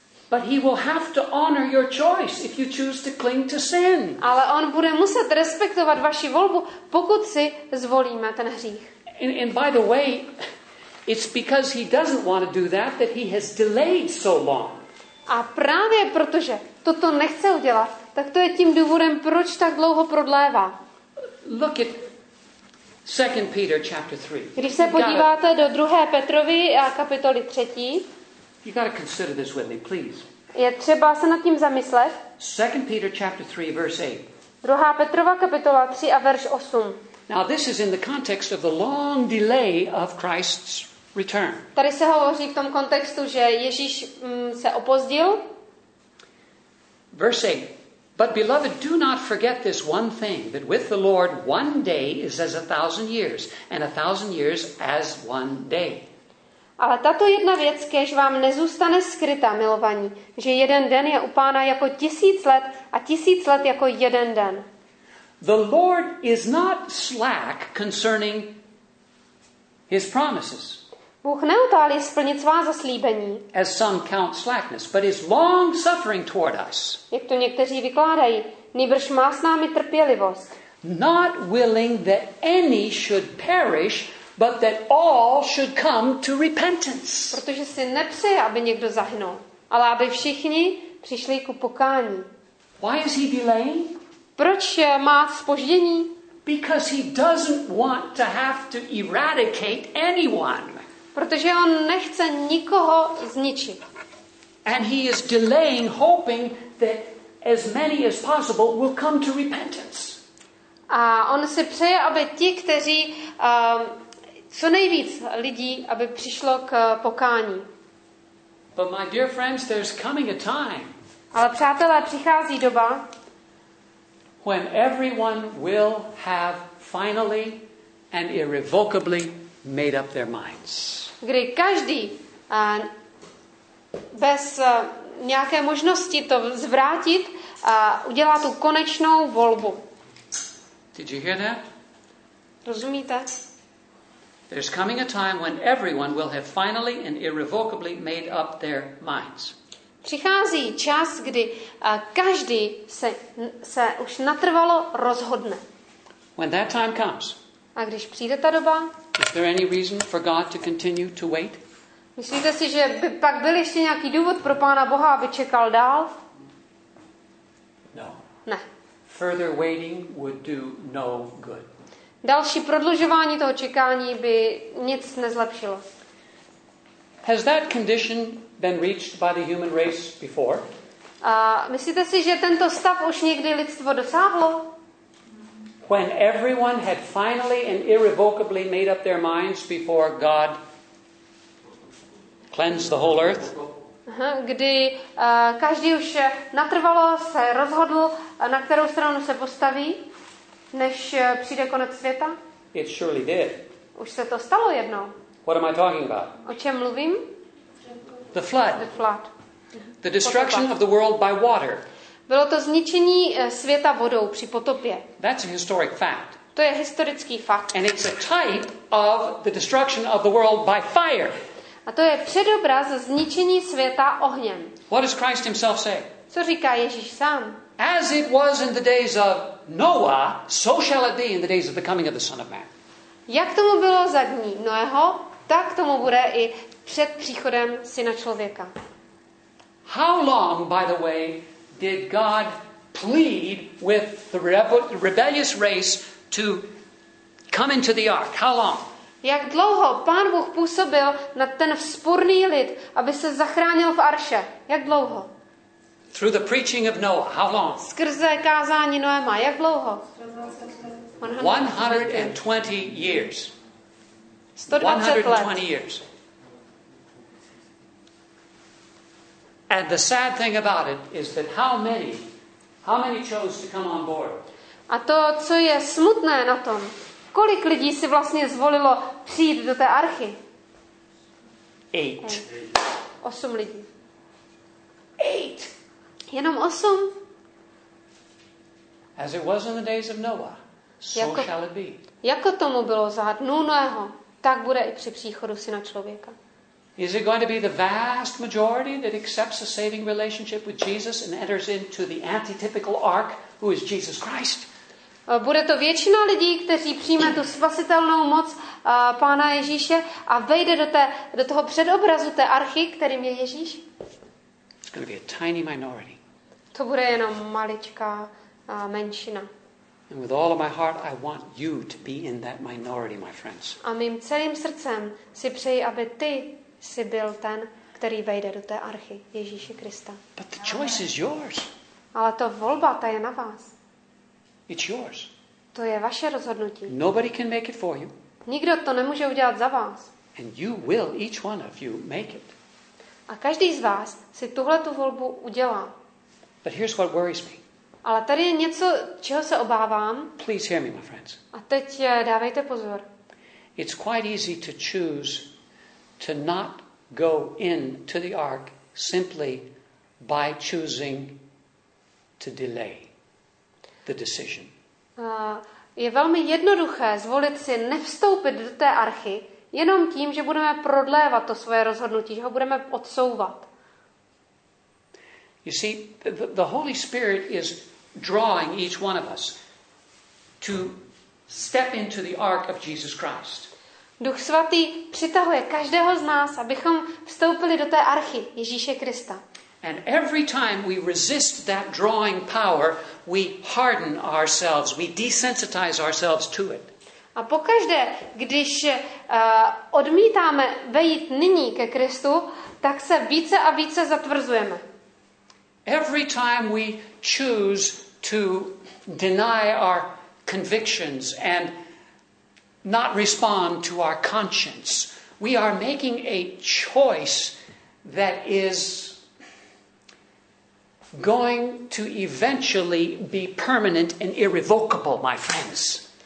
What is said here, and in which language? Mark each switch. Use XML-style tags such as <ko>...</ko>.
<en>But he will have to honor your choice if you choose to cling to sin.</en> <cs>Ale on bude muset respektovat vaši volbu, pokud si zvolíme ten hřích.</cs> <en>And by the way, it's because he doesn't want to do that he has delayed so long.</en> <cs>A právě protože toto nechce udělat, tak to je tím důvodem, proč tak dlouho prodlévá.</cs> <en>Look at 2 Peter chapter 3.</en> <cs>Když se podíváte do 2. Petrovy a kapitoly 3.</cs> <en>You got to consider this with me, please.</en> <cs>Je třeba se nad tím zamyslet.</cs> <en>2 Peter chapter 3 verse 8.</en> <cs>2. Petrova kapitola 3 a verš 8.</cs> <en>Now this is in the context of the long delay of Christ's return.</en> <cs>Tady se hovoří v tom kontextu, že Ježíš se opozdil.</cs> <en>Verse 8. But beloved, do not forget this one thing, that with the Lord one day is as 1,000 years, and 1,000 years as one day.</en> <cs>Ale tato jedna věc, kéž vám nezůstane skryta, milovaní, že jeden den je u Pána jako 1,000 let a 1,000 let jako jeden den.</cs> <en>The Lord is not slack concerning his promises.</en> <cs>Bůh neutálí splnit svá zaslíbení.</cs> <en>As some count slackness, but is long suffering toward us.</en> <cs>Jak to někteří vykládají, nýbrž má s námi trpělivost.</cs> <en>Not willing that any should perish, but that all should come to repentance.</en> <cs>Protože si nepřeje, aby někdo zahynul, ale aby všichni přišli ku pokání.</cs> <en>Why is he delaying?</en> <cs>Proč má zpoždění?</cs> <en>Because he doesn't want to have to eradicate anyone.</en> <cs>Protože on nechce nikoho zničit.</cs> <en>And he is delaying, hoping that as many as possible will come to repentance.</en> <cs>A on si přeje, aby ti, kteří co nejvíc lidí, aby přišlo k pokání.</cs> <en>But my dear friends, there's coming a time.</en> <cs>Ale přátelé, přichází doba.</cs> <en>When everyone will have finally and irrevocably made up their minds.</en> <cs>Kdy každý bez nějaké možnosti to zvrátit a udělá tu konečnou volbu.</cs> <en>Did you hear that?</en> <cs>Rozumíte?</cs> <en>There's coming a time when everyone will have finally and irrevocably made up their minds.</en> <cs>Přichází čas, kdy každý se už natrvalo rozhodne.</cs> <en>When that time comes.</en> <cs>A když přijde ta doba?</cs> <en>Is there any reason for God to continue to wait?</en> <cs>Myslíte si, že by pak byl ještě nějaký důvod pro Pána Boha, aby čekal dál?</cs> <en>No.</en> <cs>Ne.</cs> <en>Further waiting would do no good.</en> <cs>Další prodlužování toho čekání by nic nezlepšilo.</cs> <en>Has that condition been reached by the human race before?</en> <cs>Myslíte si, že tento stav už někdy lidstvo dosáhlo?</cs> <en>When everyone had finally and irrevocably made up their minds before God cleansed the whole earth?</en> <cs>Kdy každý už natrvalo se rozhodl, na kterou stranu se postaví, než přijde konec světa?</cs> <en>It surely did.</en> <cs>Už se to stalo jednou.</cs> <en>What am I talking about?</en> <cs>O čem mluvím?</cs> <en>The flood. The flood. The destruction of the world by water.</en> <cs>Bylo to zničení světa vodou při potopě.</cs> <en>That's a historic fact.</en> <cs>To je historický fakt.</cs> <en>And it's a type of the destruction of the world by fire.</en> <cs>A to je předobraz zničení světa ohněm.</cs> <en>What does Christ himself say?</en> <cs>Co říká Ježíš sám?</cs> <en>As it was in the days of Noah, so shall it be in the days of the coming of the Son of Man.</en> <cs>Jak tomu bylo za dní Noého, tak tomu bude i před příchodem Syna člověka.</cs> <en>How long, by the way, did God plead with the rebellious race to come into the ark? How long?</en> <cs>Jak dlouho Pán Bůh působil na ten vzpůrný lid, aby se zachránil v arše? Jak dlouho?</cs> <en>Through the preaching of Noah, how long?</en> <cs>Skrze kázání Noéma, jak dlouho?</cs> <en>120 years. 120 years. And the sad thing about it is that how many chose to come on board?</en> <cs>A to, co je smutné na tom, kolik lidí si vlastně zvolilo přijít do té archy?</cs> <en>8.</en> <cs>8 lidí.</cs> <en>8.</en> <cs>Jenom 8.</cs> <en>As it was in the days of Noah, so shall it be.</en> <cs>Jako tomu bylo za dnů Noého, tak bude i při příchodu Syna člověka.</cs> <en>Is it going to be the vast majority that accepts a saving relationship with Jesus and enters into the antitypical ark, who is Jesus Christ?</en> <cs>Bude to většina lidí, kteří přijme tu spasitelnou moc Pána Ježíše a vejde do toho předobrazu té archy, kterým je Ježíš?</cs> <en>It's going to be a tiny minority.</en> <cs>To bude jenom maličká menšina.</cs> <en>And with all of my heart, I want you to be in that minority, my friends.</en> <cs>A mým celým srdcem si přeji, aby ty jsi byl ten, který vejde do té archy Ježíše Krista.</cs> <en>But the choice is yours.</en> <cs>Ale to volba, ta je na vás.</cs> <en>It's yours.</en> <cs>To je vaše rozhodnutí.</cs> <en>Nobody can make it for you.</en> <cs>Nikdo to nemůže udělat za vás.</cs> <en>And you will, each one of you, make it.</en> <cs>A každý z vás si tuhle tu volbu udělá.</cs> <en>But here's what worries me.</en> <cs>Ale tady je něco, čeho se obávám.</cs> <en>Please hear me, my friends.</en> <cs>A teď dávejte pozor.</cs> <en>It's quite easy to choose to not go in to the ark simply by choosing to delay the decision.</en> <cs>Je velmi jednoduché zvolit si nevstoupit do té archy, Jenom tím, že budeme prodlévat to svoje rozhodnutí, že ho budeme odsouvat.</cs> <en>You see, the Holy Spirit is drawing each one of us to step into the ark of Jesus Christ.</en> <cs>Duch svatý přitahuje každého z nás, abychom vstoupili do té archy Ježíše Krista.</cs> <en>And every time we resist that drawing power, we harden ourselves, we desensitize ourselves to it.</en> <cs>A pokaždé, když odmítáme vejít nyní ke Kristu, tak se více a více zatvrzujeme.</cs> <en>Every time we choose to deny our convictions and not respond to our conscience, we are making a choice that is going to eventually be permanent and irrevocable, my friends.</en>